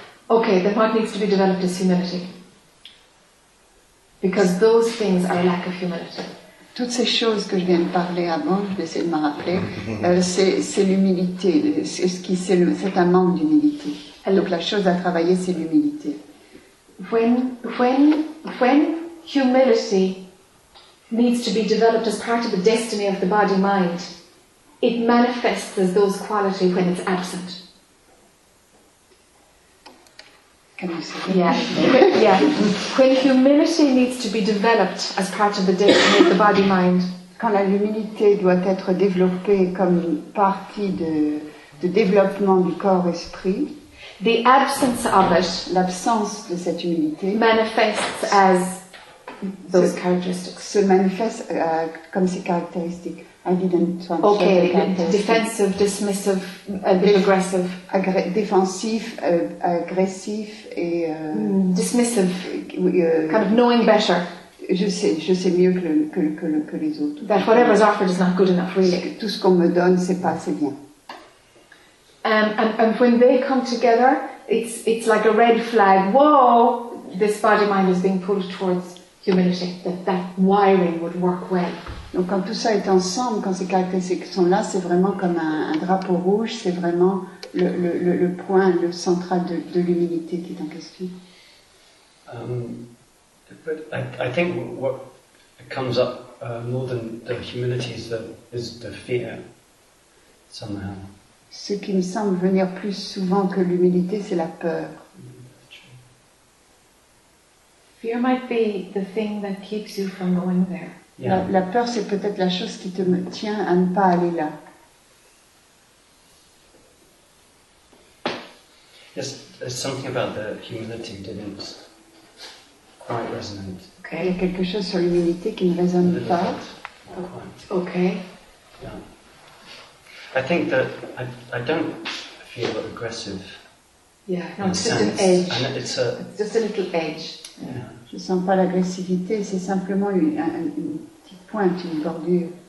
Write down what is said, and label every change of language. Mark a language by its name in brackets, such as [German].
[English] Okay, then what needs to be developed is humility. Because those things are lack of humility. [French] Toutes ces choses que je viens de parler avant, je vais essayer de m'en rappeler, c'est l'humilité, c'est un manque d'humilité. Donc la chose à travailler, c'est l'humilité. [English] When humility needs to be developed as part of the destiny of the body-mind, it manifests as those qualities when it's absent. Yeah. When humility needs to be developed as part of the destiny of the body mind. [French] Quand la humilité doit être développée comme partie de développement du corps esprit. [English] The absence of it. [French] L'absence de cette humilité. [English] Manifests as those characteristics. [French] Se manifeste comme ces caractéristiques. [English] I didn't want to okay, say defensive, dismissive, a bit aggressive. [French] Défensif, aggressif et... [English] dismissive, kind of knowing better. [French] Je sais mieux que les autres. [English] That whatever is offered is not good enough, really. [French] Tout ce qu'on me donne, c'est pas assez bien. [English] And when they come together, it's like a red flag. Whoa, this body-mind is being pulled towards humility. That wiring would work well. [French] Donc quand tout ça est ensemble, quand ces caractéristiques sont là, c'est vraiment comme un drapeau rouge, c'est vraiment le point, le central de l'humilité qui est en question. [English] But I think what comes up more than the humility is the fear, somehow. [French] Ce qui me semble venir plus souvent que l'humilité, c'est la peur. [English] Fear might be the thing that keeps you from going there. Yeah. [French] La peur, c'est peut-être la chose qui te tient à ne pas aller là. [English] Yes, there's something about the humility didn't quite resonate. Okay. [French] Il y a quelque chose sur l'humilité qui ne résonne pas. [English] Not quite. Okay. Yeah. I think that I don't feel aggressive. Yeah, no, it's just sense. An edge. And it's just a little edge. Yeah. [French] Je sens pas l'agressivité, c'est simplement une pointe, une bordure.